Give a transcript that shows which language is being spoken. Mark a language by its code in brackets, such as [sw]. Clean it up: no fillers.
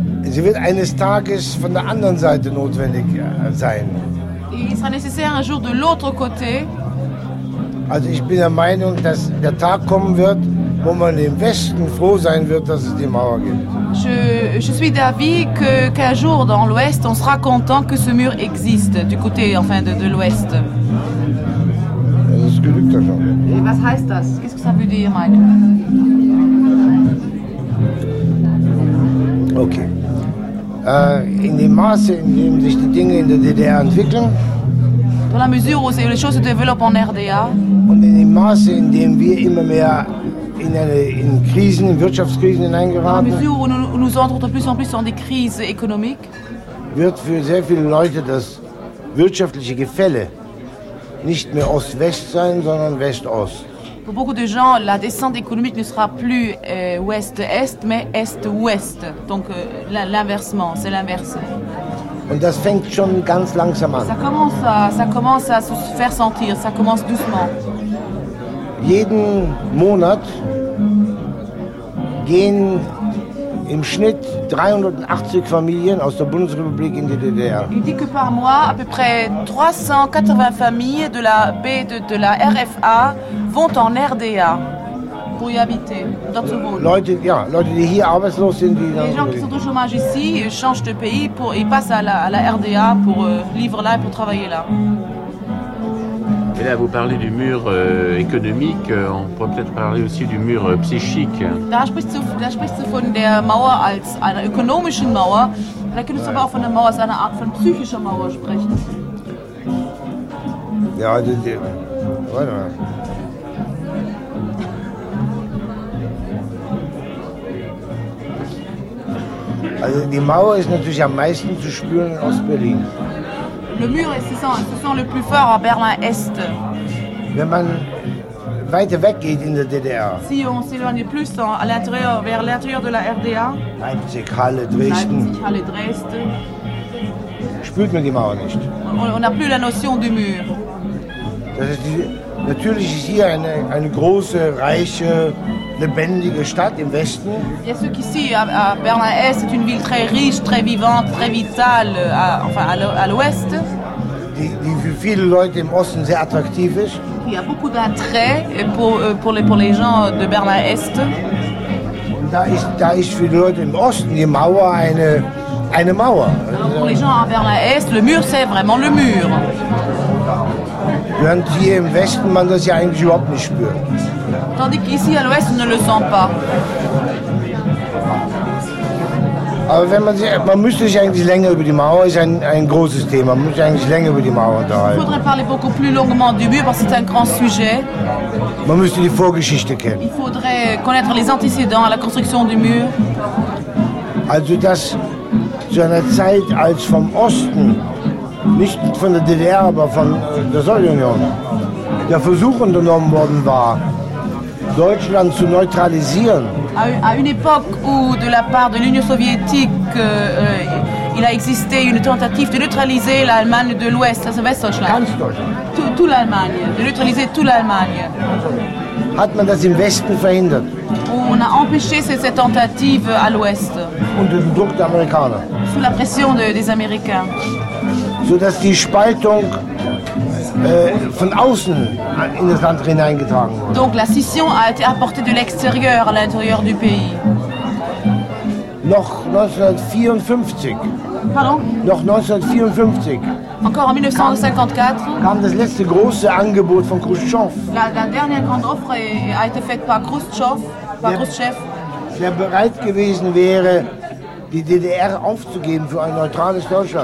[de] Sie wird eines Tages von der anderen Seite notwendig sein. [fr] Il sera nécessaire un jour de l'autre côté. [de] Also ich bin der Meinung, dass der Tag kommen wird, wo man im Westen froh sein wird, dass es die Mauer gibt. [fr] Je suis d'avis qu'un jour dans l'Ouest, on sera content que ce mur existe du côté enfin de l'Ouest. [de] Das ist Glück, das schon. [fr] Et [de] was heißt das? [fr] Qu'est-ce que ça veut dire, Michael? Okay. [de] In dem Maße, in dem sich die Dinge in der DDR entwickeln. [fr] Dans la mesure où les choses se développent en RDA. [de] Und in dem Maße, in dem wir immer mehr in Krisen, in Wirtschaftskrisen hineingeraten. [fr] Dans la mesure où nous entrons de plus en plus dans des crises économiques. [de] Wird für sehr viele Leute das wirtschaftliche Gefälle nicht mehr Ost-West sein, sondern West-Ost. [fr] Pour beaucoup de gens, la descente économique ne sera plus ouest-est, mais est-ouest. Donc l'inversement, c'est l'inverse. [de] Und das fängt schon ganz langsam an. [fr] Ça commence à se faire sentir, ça commence doucement. [de] Jeden Monat gehen im Schnitt 380 Familien aus der Bundesrepublik in die DDR. [fr] Il dit que par mois, à peu près 380 familles de la de la RFA vont en RDA pour y habiter. [de] Leute, die hier arbeitslos sind, die [fr] dann. Les gens qui sont au chômage ici changent de pays pour ils passent à la RDA pour vivre là et pour travailler là. Et là, vous parlez du mur économique, on pourrait peut-être parler aussi du mur psychique. [de] Da sprichst du von der Mauer als einer ökonomischen Mauer. Da könntest du aber auch von der Mauer als einer Art von psychischer Mauer sprechen. Ja, warte mal. Also die Mauer ist natürlich am meisten zu spüren aus Berlin. [fr] Le mur se sent le plus fort à Berlin-Est. [de] Wenn man weiter weg geht in der DDR. [fr] Si on s'éloigne plus à l'intérieur, vers l'intérieur de la RDA. [de] Leipzig, Halle, Dresden. [fr] Leipzig, Halle, Dresden. [de] Spürt man die Mauer nicht. [fr] On n'a plus la notion du mur. [de] Natürlich ist hier eine große, reiche, lebendige Stadt im Westen. [fr] Bien sûr qu'ici, à Berlin-Est, c'est une ville très riche, très vivante, très vitale, à l'Ouest. [de] Die für viele Leute im Osten sehr attraktiv ist. [fr] Il y a beaucoup d'attrait pour les gens de Berlin-Est. [de] Und da ist für die Leute im Osten die Mauer eine Mauer. [fr] Alors pour les gens à Berlin-Est, le mur, c'est vraiment le mur. [de] Während hier im Westen man das ja eigentlich überhaupt nicht spürt. [fr] Tandis qu'ici à l'Ouest, on ne le sent pas. [de] Aber wenn man müsste sich eigentlich länger über die Mauer, ist ein großes Thema, man müsste eigentlich länger über die Mauer unterhalten. [fr] Il faudrait parler beaucoup plus longuement du mur, parce que c'est un grand sujet. [de] Man müsste die Vorgeschichte kennen. [fr] Il faudrait connaître les antécédents à la construction du mur. [de] Also das zu einer Zeit, als vom Osten, nicht von der DDR, aber von der Sowjetunion, der Versuch unternommen worden war, Deutschland zu neutralisieren. [fr] À une époque où de la part de l'Union soviétique il a existé une tentative de neutraliser l'Allemagne de l'Ouest, [de] also Westdeutschland. Ganz Deutschland. [fr] Tout l'Allemagne, de neutraliser toute l'Allemagne. [de] Hat man das im Westen verhindert? [fr] On a empêché cette tentative à l'Ouest. [de] Unter dem Druck der Amerikaner. [fr] Sous la pression des Américains. [de] So dass die Spaltung von außen in das Land hineingetragen wurde. [fr] Donc la scission a été apportée de l'extérieur à l'intérieur du pays. [de] Noch 1954. [fr] Pardon? [de] Noch 1954. [fr] Encore en 1954. [de] Kam das letzte große Angebot von Khrushchev. [fr] La dernière grande offre a été faite par Khrushchev. [de] Der bereit gewesen wäre, die DDR aufzugeben für ein neutrales Deutschland.